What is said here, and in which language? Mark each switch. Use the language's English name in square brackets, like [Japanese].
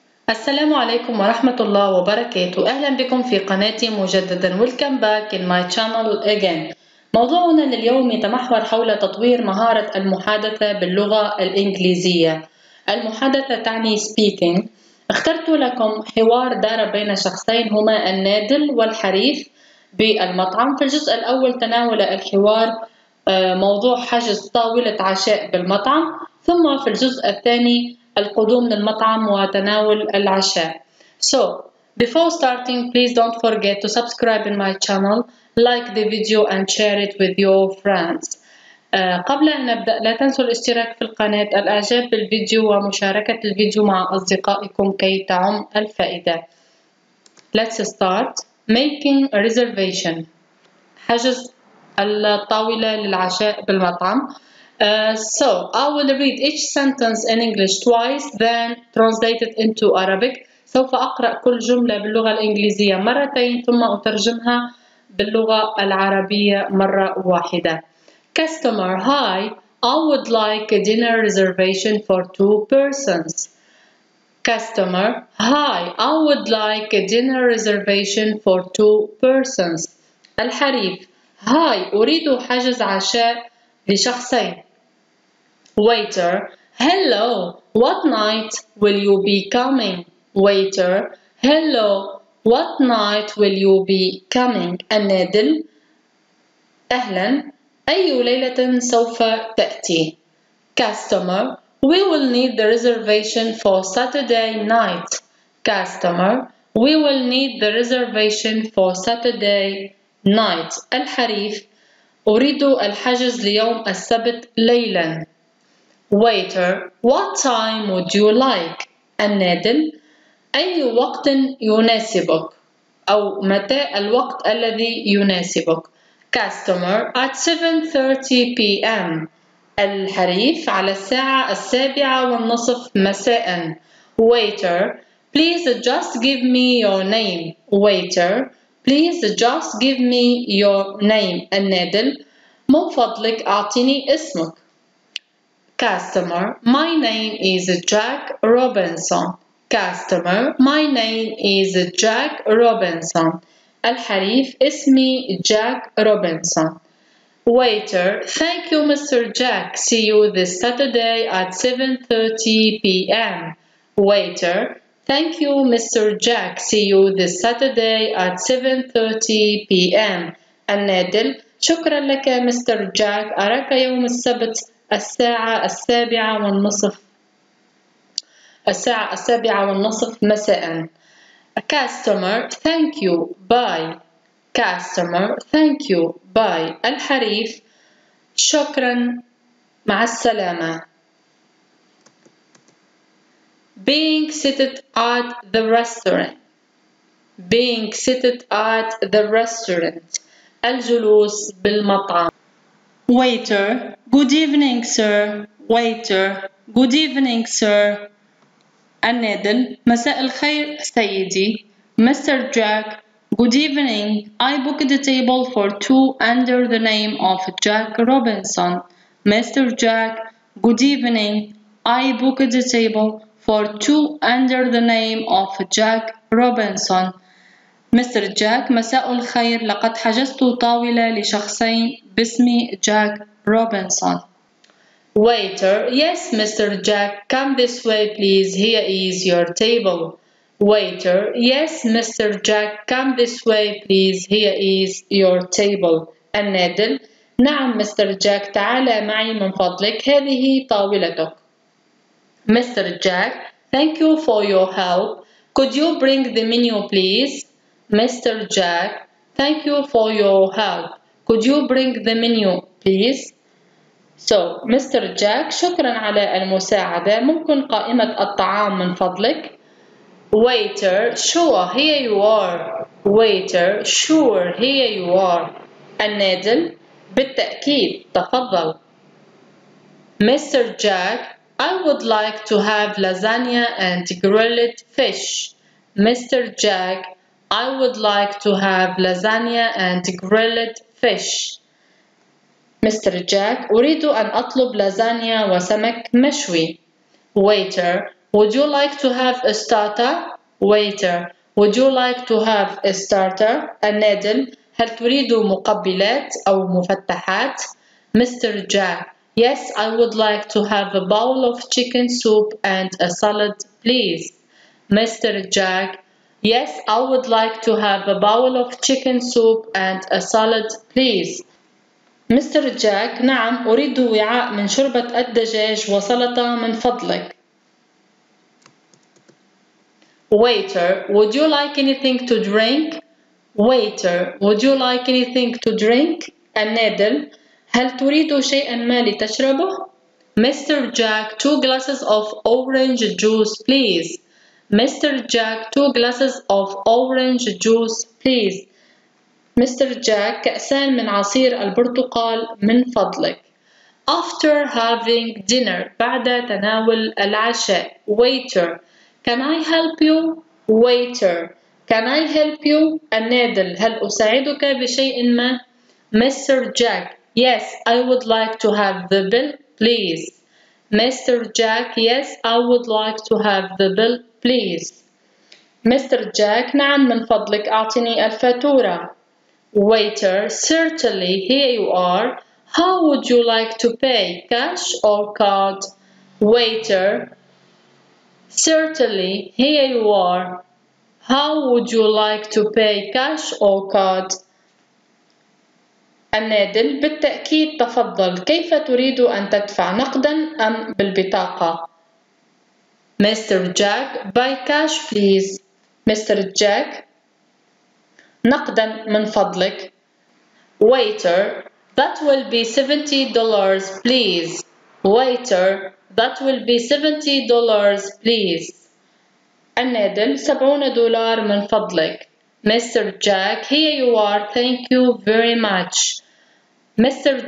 [Arabic] السلام عليكم ورحمة الله وبركاته. أهلا بكم في قناتي مجددا. [English] Welcome back in my channel again. [Arabic] موضوعنا لليوم يتمحور حول تطوير مهارة المحادثة باللغة الإنجليزية. المحادثة تعني speaking. اخترت لكم حوار دار بين شخصين هما النادل والحريف بالمطعم. في الجزء الأول تناول الحوار موضوع حجز طاولة عشاء بالمطعم، ثم في الجزء الثاني القدوم للمطعم وتناول العشاء. [English] So, before starting, please don't forget to subscribe in my channel, like the video and share it with your friends. [Arabic] قبل أن نبدأ، لا تنسوا الاشتراك في القناة، الإعجاب بالفيديو ومشاركة الفيديو مع أصدقائكم كي تعم الفائدة. [English] Let's start making a reservation. [Arabic] حجز الطاولة للعشاء بالمطعم. [English] So, I will read each sentence in English twice, then translate it into Arabic. [Arabic] سوف أقرأ كل جملة باللغة الإنجليزية مرتين ثم أترجمها باللغة العربية مرة واحدة. [English] Customer, hi, I would like a dinner reservation for two persons. Customer, hi, I would like a dinner reservation for two persons. [Arabic] الحريف, hi, أريد حجز عشاء لشخصين. [English] Waiter, hello, what night will you be coming? Waiter, hello, what night will you be coming? [Arabic] النادل, أهلا, أي ليلة سوف تأتي؟ [English] Customer, we will need the reservation for Saturday night. Customer, we will need the reservation for Saturday night. [Arabic] الحريف, أريد الحجز ليوم السبت ليلا. [English] Waiter, what time would you like? [Arabic] النادل, أي وقت يناسبك؟ أو متى الوقت الذي يناسبك؟ [English] Customer, at 7:30 p.m. [Arabic] الحريف, على الساعة 7:30 مساء. [English] Waiter, please just give me your name. Waiter, please just give me your name. [Arabic] النادل, من فضلك أعطني اسمك. [English] Customer, my name is Jack Robinson. Customer, my name is Jack Robinson. [Arabic] الحريف, اسمي [English] Jack Robinson. Waiter, thank you Mr. Jack. See you this Saturday at 7:30 p.m. Waiter, thank you Mr. Jack. See you this Saturday at 7:30 p.m. [Arabic] النادل, شكرا لك Mr. Jack. أراك يوم السبت الساعة 7:30. الساعة 7:30 مساء. [English] Customer, thank you, bye. Customer, thank you, bye. [Arabic] الحريف, شكرا, مع السلامة. [English] Being seated at the restaurant. Being seated at the restaurant. [Arabic] الجلوس بالمطعم. [English] Waiter, good evening, sir. Waiter, good evening, sir. [Arabic] النادل, مساء الخير سيدي. Mr. [English] Jack, good evening. I booked a table for two under the name of Jack Robinson. Mr. Jack, good evening. I booked a table for two under the name of Jack Robinson. [Arabic] مستر جاك, مساء الخير, لقد حجزت طاولة لشخصين باسم جاك روبنسون. [English] Waiter, yes Mr. Jack, come this way please, here is your table. Waiter, yes Mr. Jack, come this way please, here is your table. [Arabic] النادل, نعم مستر جاك, تعال معي من فضلك, هذه طاولتك. [English] Mr. Jack, thank you for your help, could you bring the menu please? Mr. Jack, thank you for your help. Could you bring the menu, please? So, Mr. [Arabic] Jack, شكرا على المساعدة. ممكن قائمة الطعام من فضلك؟ [English] Waiter, sure, here you are. Waiter, sure, here you are. [Arabic] النادل, بالتأكيد, تفضل. Mr. [English] Jack, I would like to have lasagna and grilled fish. Mr. Jack, I would like to have lasagna and grilled fish. Mr. [Arabic] Jack, أريد أن أطلب لازانيا وسمك مشوي. [English] Waiter, would you like to have a starter? Waiter, would you like to have a starter? [Arabic] النادل, هل تريد مقبلات أو مفتحات؟ Mr. [English] Jack, yes, I would like to have a bowl of chicken soup and a salad, please. Mr. Jack, yes, I would like to have a bowl of chicken soup and a salad, please. Mr. [Arabic] Jack, نعم, أريد وعاء من شوربة الدجاج وسلطة من فضلك. [English] Waiter, would you like anything to drink? Waiter, would you like anything to drink? [Arabic] النادل, هل تريد شيئا ما لتشربه؟ Mr. [English] Jack, two glasses of orange juice, please. Mr. Jack, two glasses of orange juice, please. Mr. [Arabic] Jack, كأسان من عصير البرتقال من فضلك. [English] After having dinner, [Arabic] بعد تناول العشاء. [English] Waiter, can I help you? Waiter, can I help you? [Arabic] النادل, هل أساعدك بشيء ما؟ Mr. [English] Jack, yes, I would like to have the bill, please. Mr. Jack, yes, I would like to have the bill, please. Mr. [Arabic] Jack, نعم من فضلك أعطني الفاتورة. [English] Waiter, certainly, here you are. How would you like to pay, cash or card? Waiter, certainly, here you are. How would you like to pay, cash or card? [Arabic] النادل, بالتأكيد تفضل. كيف تريد أن تدفع, نقدا أم بالبطاقة؟ Mr. [English] Jack, by cash, please. Mr. [Arabic] Jack, نقدا من فضلك. [English] Waiter, that will be $70, please. Waiter, that will be $70, please. [Arabic] النادل, $70 من فضلك. Mr. [English] Jack, here you are. Thank you very much. Mr.